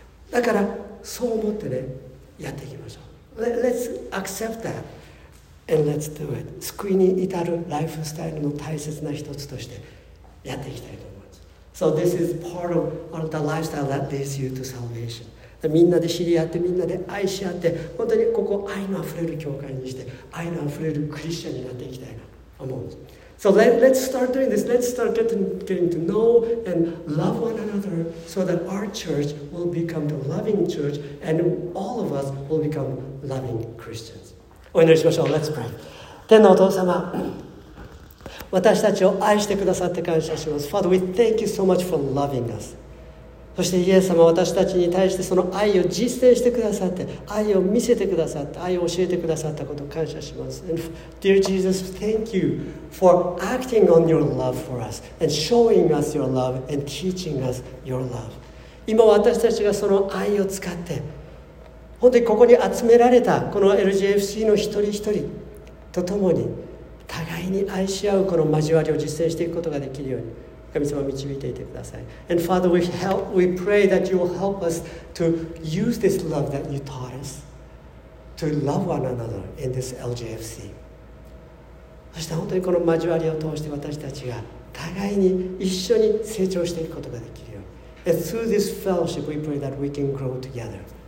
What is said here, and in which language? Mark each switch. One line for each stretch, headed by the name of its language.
Japanese: だからそう思ってね、やっていきましょう。
English: Let's accept that and let's do it.
Japanese: 救いに至るライフスタイルの大切な一つとしてやっていきたいと思います。
English: So this is part of the lifestyle that leads you to salvation.
Japanese: みんなで知り合って、みんなで愛し合って、本当にここ愛のあふれる教会にして、愛のあふれるクリスチャンになっていきたいなと思うんです。
English: So let's start doing this. Let's start getting to know and love one another so that our church will become the loving church and all of us will become loving Christians.
Japanese: お祈りしましょう。
English: Let's pray.
Japanese: 天のお父様、私たちを愛してくださって感謝します。
English: Father, we thank you so much for loving us.
Japanese: そしてイエス様、私たちに対してその愛を実践してくださって、愛を見せてくださって、愛を教えてくださったことを感謝します。
English: And dear Jesus, thank you for acting on your love for us and showing us your love and teaching us your love.
Japanese: 今私たちがその愛を使って、本当にここに集められたこの LGFC の一人一人と共に、互いに愛し合うこの交わりを実践していくことができるように、神様導いていてください。
English: And Father, we pray that you will help us to use this love that you taught us to love one another in this LGFC.
Japanese: そして本当にこの交わりを通して私たちが互いに一緒に成長していくことができるように。
English: And through this fellowship, we pray that we can grow together.